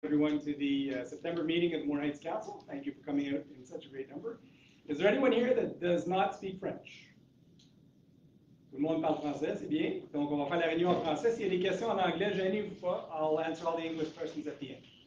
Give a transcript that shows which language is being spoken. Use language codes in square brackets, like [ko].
[en] Everyone to the September meeting of Moore Heights Council. Thank you for coming out in such a great number. Is there anyone here that does not speak French? [fr] Tout le monde parle français, c'est bien. Donc on va faire la réunion en français. S'il y a des questions en anglais, gênez-vous pas. [en] I'll answer all the English questions at the end.